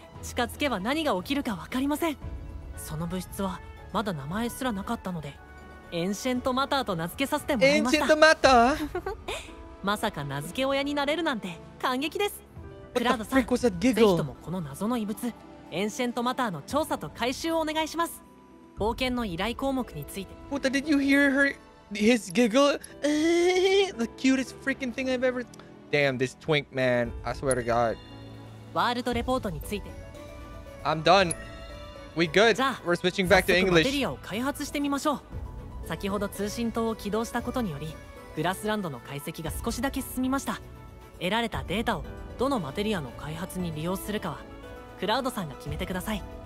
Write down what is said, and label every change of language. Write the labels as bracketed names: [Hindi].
[Japanese] 近づけば何が起きるか分かりません。その物質はまだ名前すらなかったのでエンシェントマターと名付けさせてもらいました。エンシェントマターまさか名付け親になれるなんて感激です。クラウドさん、ぜひともこの謎の異物エンシェントマターの調査と回収をお願いします。冒険の依頼項目について、 [English] What, did you hear her his giggle? The cutest freaking thing I've ever Damn, this twink man, I swear to God. [Japanese] ワールドレポートについて、 [English] I'm done. We good. We're switching back to English. [Japanese] マテリアを開発してみましょう。先ほど通信塔を起動したことによりグラスランドの解析が少しだけ進みました。得られたデータをどのマテリアの開発に利用するかはクラウドさんが決めてください。